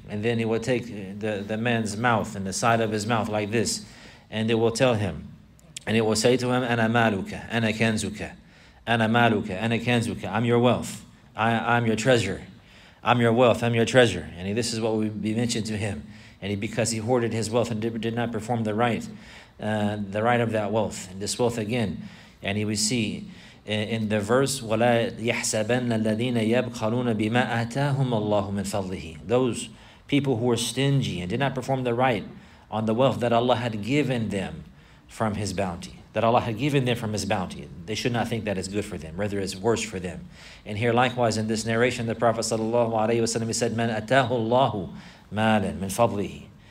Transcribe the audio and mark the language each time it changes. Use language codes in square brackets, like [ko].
[en] And then he will take the man's mouth and the side of his mouth like this, and it will tell him, and it will say to him, [ar] أَنَا مَالُكَ أَنَا كَنْزُكَ أَنَا مَالُكَ أَنَا كَنْزُكَ. [en] I'm your wealth, I'm your treasure. I'm your wealth. I'm your treasure. And this is what would be mentioned to him. And because he hoarded his wealth and did not perform the right of that wealth. And this wealth again. And he would see in the verse, [ar] وَلَا يَحْسَبَنَّ الَّذِينَ يَبْخَلُونَ بِمَا أَتَاهُمَ اللَّهُ مِنْ فَضْلِهِ. [en] Those people who were stingy and did not perform the right on the wealth that Allah had given them from His bounty. That Allah had given them from His bounty. They should not think that it's good for them. Rather, it's worse for them. And here likewise in this narration, the Prophet ﷺ, he said, [ar] مَنْ أَتَاهُ اللَّهُ مَالًا مِنْ فَضْلِهِ.